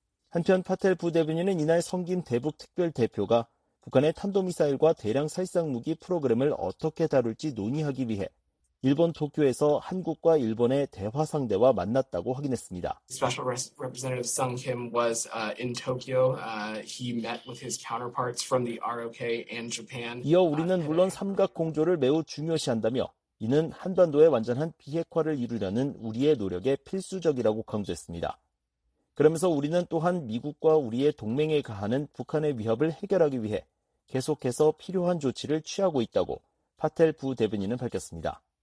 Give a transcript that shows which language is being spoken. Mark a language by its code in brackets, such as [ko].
[ko] 한편 파텔 부대변인은 이날 성김 대북 특별 대표가 북한의 탄도미사일과 대량 살상 무기 프로그램을 어떻게 다룰지 논의하기 위해 일본 도쿄에서 한국과 일본의 대화 상대와 만났다고 확인했습니다. [en] Special Representative Sung Kim was in Tokyo. He met with his counterparts from the ROK and Japan. [ko] 이어 우리는 물론 삼각 공조를 매우 중요시한다며 이는 한반도의 완전한 비핵화를 이루려는 우리의 노력에 필수적이라고 강조했습니다. 그러면서 우리는 또한 미국과 우리의 동맹에 가하는 북한의 위협을 해결하기 위해 계속해서 필요한 조치를 취하고 있다고 파텔 부 대변인은 밝혔습니다.